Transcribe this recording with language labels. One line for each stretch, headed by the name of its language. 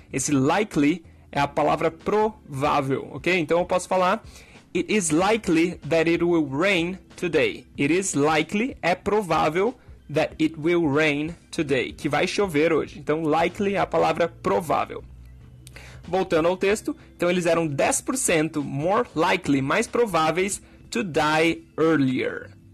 Portuguese: Esse likely é a palavra provável, ok? Então, eu posso falar,
English: it is likely that it will rain today. It is likely,
Portuguese: é provável,
English: that it will rain today,
Portuguese: que vai chover hoje. Então, likely é a palavra provável. Voltando ao texto, então eles eram 10%
English: more likely,
Portuguese: mais prováveis,
English: to die earlier.